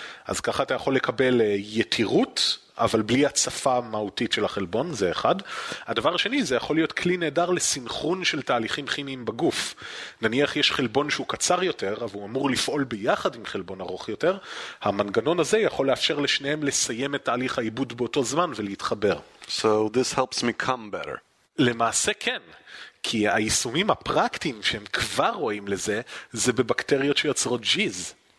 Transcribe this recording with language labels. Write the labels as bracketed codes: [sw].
[he] אז ככה אתה יכול לקבל יתירות, אבל בלי הצפה מהותית של החלבון, זה אחד. הדבר השני, זה יכול להיות כלי נהדר לסנכרון של תהליכים כימיים בגוף. נניח יש חלבון שהוא קצר יותר, אבל הוא אמור לפעול ביחד עם חלבון ארוך יותר, המנגנון הזה יכול לאפשר לשניהם לסיים את תהליך העיבוד באותו זמן ולהתחבר. [en] So this helps me come better. [he] למעשה כן, כי היישומים הפרקטיים שהם כבר רואים לזה, זה בבקטריות שיוצרות ג'יז.